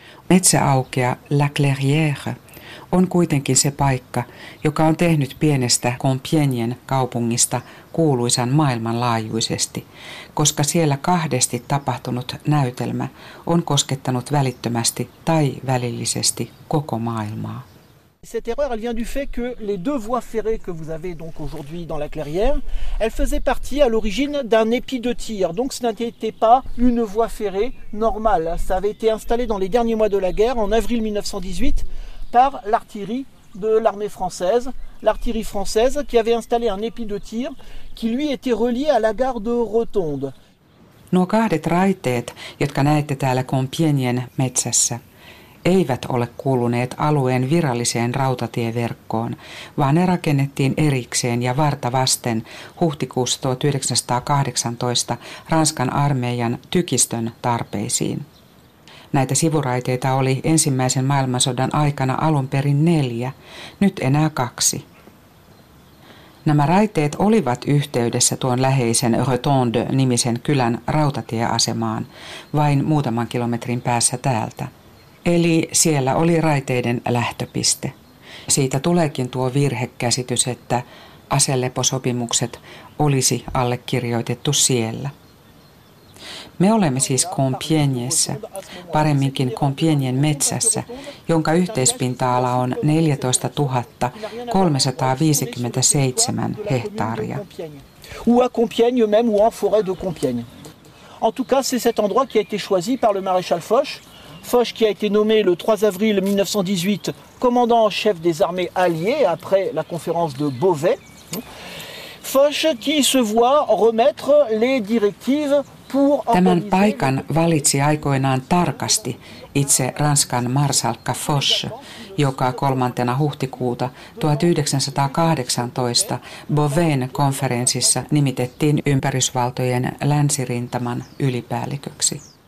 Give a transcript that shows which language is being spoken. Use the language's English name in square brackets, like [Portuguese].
[Finnish] Metsäaukea La Clairière on kuitenkin se paikka, joka on tehnyt pienestä Compiègnen kaupungista kuuluisan maailmanlaajuisesti, koska siellä kahdesti tapahtunut näytelmä on koskettanut välittömästi tai välillisesti koko maailmaa. [French] Cette erreur, elle vient du fait que les deux voies ferrées que vous avez donc aujourd'hui dans la clairière, elles faisaient partie à l'origine d'un épi de tir. Donc ce n'était pas une voie ferrée normale. Ça avait été installé dans les derniers mois de la guerre, en avril 1918, par l'artillerie de l'armée française, l'artillerie française qui avait installé un épi de tir qui lui était relié à la gare de Rotonde. [Finnish] Nuo kahdet raiteet, jotka näette täällä Compiègnen metsässä, eivät ole kuuluneet alueen viralliseen rautatieverkkoon, vaan ne rakennettiin erikseen ja vartavasten huhtikuussa 1918 Ranskan armeijan tykistön tarpeisiin. Näitä sivuraiteita oli ensimmäisen maailmansodan aikana alun perin 4, nyt enää 2. Nämä raiteet olivat yhteydessä tuon läheisen Rotonde-nimisen kylän rautatieasemaan, vain muutaman kilometrin päässä täältä. Eli siellä oli raiteiden lähtöpiste. Siitä tuleekin tuo virhekäsitys, että aseleposopimukset olisi allekirjoitettu siellä. Me olemme siis Compiègnessä, paremminkin Compiègnen metsässä, jonka yhteispinta-ala on 14 357 hehtaaria. [French] Ou à Compiègne même ou en forêt de Compiègne. En tout cas, c'est cet endroit qui a été choisi par le maréchal Foch. Foch qui a été nommé le 3 avril 1918 commandant en chef des armées alliées après la conférence de Beauvais. Foch qui se voit remettre les directives pour... [Finnish] Tämän paikan valitsi aikoinaan tarkasti itse Ranskan marsalkka Foch, joka 3. huhtikuuta 1918 Beauvaisin konferenssissa nimitettiin ympärysvaltojen länsirintaman ylipäälliköksi.